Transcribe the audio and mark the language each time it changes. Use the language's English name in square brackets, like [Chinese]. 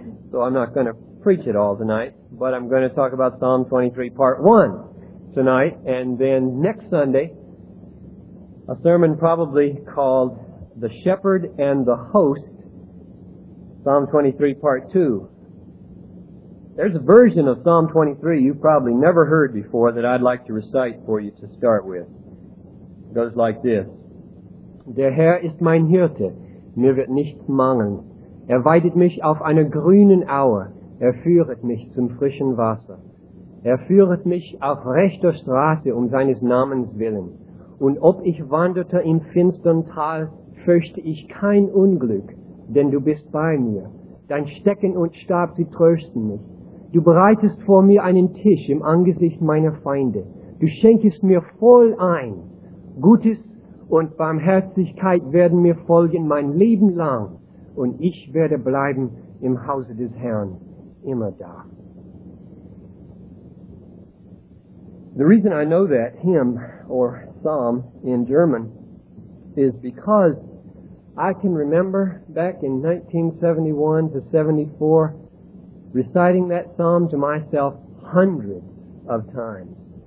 [English] So I'm not going to preach it all tonight, but I'm going to talk about Psalm 23 part 1 tonight, and then next Sunday a sermon probably called The Shepherd and the Host, Psalm 23 part 2. There's a version of Psalm 23 you've probably never heard before that I'd like to recite for you to start with. It goes like this. [German] Der Herr ist mein Hirte, mir wird nichts mangeln. Weidet mich auf einer grünen Aue, führet mich zum frischen Wasser. Führet mich auf rechter Straße seines Namens willen. Und ob ich wanderte im finstern Tal, fürchte ich kein Unglück, denn du bist bei mir. Dein Stecken und Stab, sie trösten mich. Du bereitest vor mir einen Tisch im Angesicht meiner Feinde. Du schenkest mir voll ein. Gutes und Barmherzigkeit werden mir folgen mein Leben lang. Und ich werde bleiben im Hause des Herrn immer da. [English] The reason I know that hymn or psalm in German is because I can remember back in 1971 to 74 reciting that psalm to myself hundreds of times.